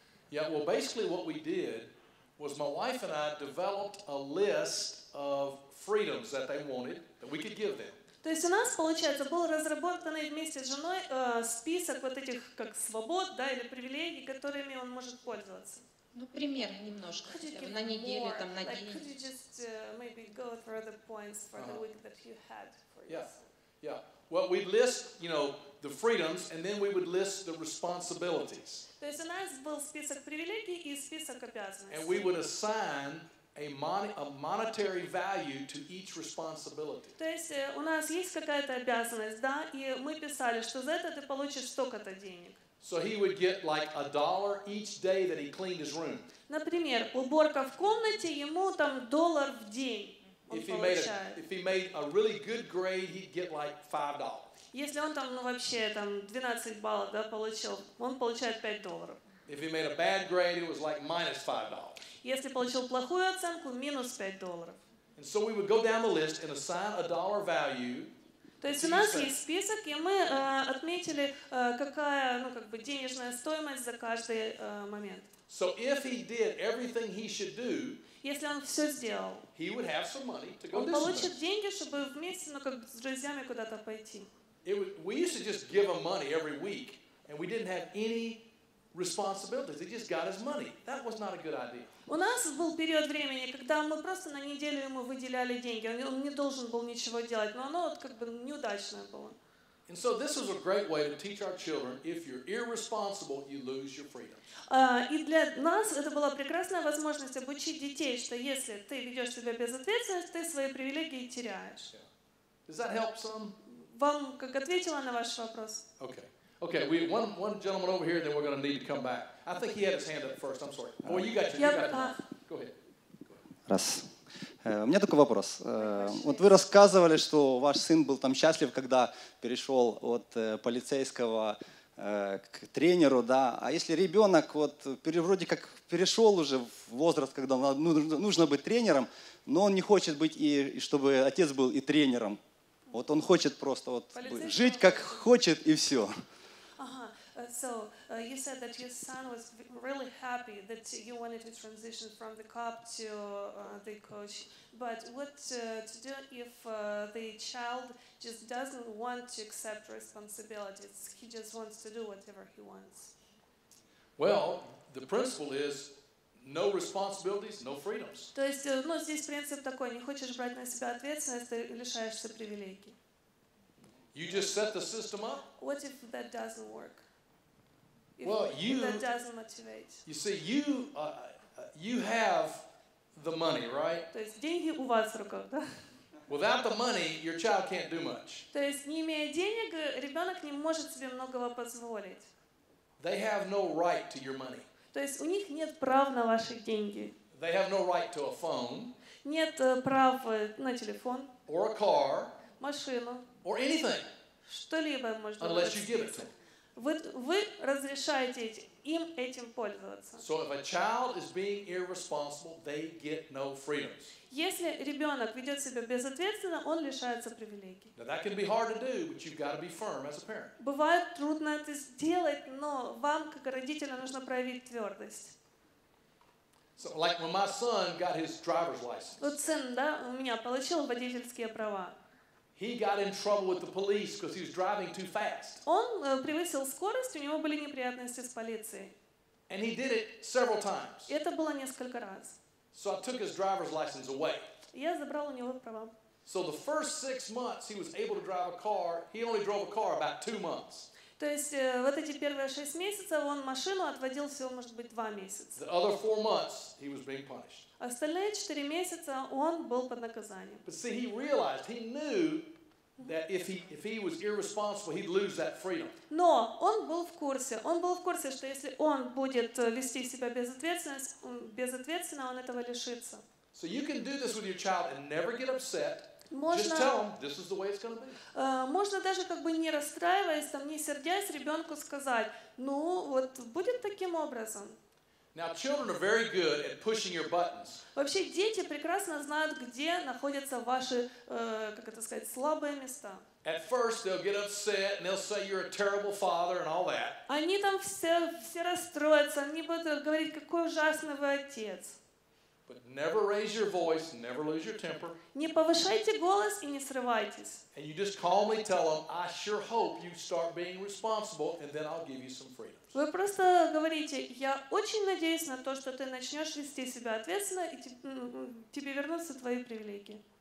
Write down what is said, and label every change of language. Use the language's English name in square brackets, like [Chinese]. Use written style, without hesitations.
[English] Yeah, well, basically what we did was my wife and I developed a list of freedoms that they wanted that we could give them. [Russian] То есть у нас получается был разработанный вместе с женой список вот этих как свобод, да, или привилегий, которыми он может пользоваться. Ну, пример немножко. На неделе там на день. [English] Could you just maybe go through the points for the week that you had for us? Yeah. Well, we'd list, you know, the freedoms, and then we would list the responsibilities. [Russian] То есть у нас был список привилегий и список обязанностей. [English] And we would assign a monetary value to each responsibility. [Russian] То есть у нас есть какая-то обязанность, да, и мы писали, что за это ты получишь столько-то денег. [English] So he would get like a dollar each day that he cleaned his room. [Russian] Например, уборка в комнате ему там доллар в день. [English] If he made a really good grade, he'd get like $5. [Russian] Если он там, ну, вообще там 12 баллов, да, получил, он получает $5. [English] If he made a bad grade, it was like minus $5. [Russian] Если получил плохую оценку, минус $5. [English] And so we would go down the list and assign a dollar value. [Russian] То есть у нас есть список, и мы отметили, какая, ну, как бы денежная стоимость за каждый момент. [English] So if he did everything he should do, [Russian] если он все сделал, [English] he would have some money to go [Russian] он получит деньги, чтобы вместе, ну, как бы с друзьями куда-то пойти. [English] We used to just give him money every week, and we didn't have any responsibilities. He just got his money. That was not a good idea. [Russian] У нас был период времени, когда мы просто на неделю ему выделяли деньги. Он не должен был ничего делать, но оно вот как бы неудачное было. [English] And so this is a great way to teach our children: if you're irresponsible, you lose your freedom. [Russian] И для нас это была прекрасная возможность обучить детей, что если ты ведешь себя безответственно, ты свои привилегии теряешь. [English] Yeah. Does that help some? [Russian] Вам как ответила на ваш вопрос? [English] Okay. Okay, we have one gentleman over here, then we're going to need to come back. I think he had his hand up first. I'm sorry. Well, you got your hand up. Go ahead. [Russian] Раз. У меня такой вопрос. Вот вы рассказывали, что ваш сын был там счастлив, когда перешел от полицейского к тренеру, да. А если ребенок вот вроде как перешел уже в возраст, когда нужно быть тренером, но он не хочет быть и чтобы отец был и тренером. Вот он хочет просто вот жить как хочет и все. [English] So you said that your son was really happy that you wanted to transition from the cop to the coach. But what to do if the child just doesn't want to accept responsibilities? He just wants to do whatever he wants. Well, the principle is no responsibilities, no freedoms. [Russian] То есть, ну, здесь принцип такой: не хочешь брать на себя ответственность, ты лишаешься привилегий. [English] You just set the system up. What if that doesn't work? Well, you, that doesn't motivate. You see, you have the money, right? [Russian] То есть деньги у вас в руках, да? [English] Without the money, your child can't do much. [Russian] То есть не имея денег, ребенок не может себе многого позволить. [English] They have no right to your money. [Russian] То есть у них нет прав на ваши деньги. [English] They have no right to a phone. [Russian] Нет прав на телефон. [English] Or a car. [Russian] Машину. [English] Or anything. [Russian] Что-либо можно. [English] Unless you give it to them. [Russian] вы разрешаете им этим пользоваться. [English] So if a child is being irresponsible, they get no freedoms. [Russian] Если ребенок ведет себя безответственно, он лишается привилегий. [English] Now that can be hard to do, but you've got to be firm as a parent. [Russian] Бывает трудно это сделать, но вам как родителю нужно проявить твердость. [English] So like when my son got his driver's license. [Russian] Вот сын, да, у меня получил водительские права. [English] He got in trouble with the police because he was driving too fast. [Russian] Он превысил скорость, у него были неприятности с полицией. [English] And he did it several times. [Russian] Это было несколько раз. [English] So I took his driver's license away. [Russian] Я забрал у него права. [English] So the first 6 months he was able to drive a car, he only drove a car about 2 months. [Russian] То есть вот эти первые 6 месяцев он машину отводил всего, может быть, 2 месяца. [English] The other 4 months he was being punished. [Russian] Остальные 4 месяца он был под наказанием. [English] But see, he realized, he knew that if he was irresponsible, he'd lose that freedom. [Russian] Но он был в курсе. Он был в курсе, что если он будет вести себя безответственно, он этого лишится. [English] So you can do this with your child and never get upset. Just tell him this is the way it's going to be. [Russian] Можно даже как бы не расстраиваясь, там не сердясь, ребенку сказать: ну вот будет таким образом. [English] Now children are very good at pushing your buttons. [Russian] Вообще дети прекрасно знают, где находятся ваши, как это сказать, слабые места. [English] At first they'll get upset and they'll say you're a terrible father and all that. [Russian] Они там все расстроятся, они будут говорить, какой ужасный вы отец. [English] But never raise your voice, never lose your temper. [Russian] Не повышайте голос и не срывайтесь. [English] And you just calmly tell them, I sure hope you start being responsible and then I'll give you some freedom. [Russian] Вы просто говорите, я очень надеюсь на то, что ты начнешь вести себя ответственно, и тебе вернутся твои привилегии.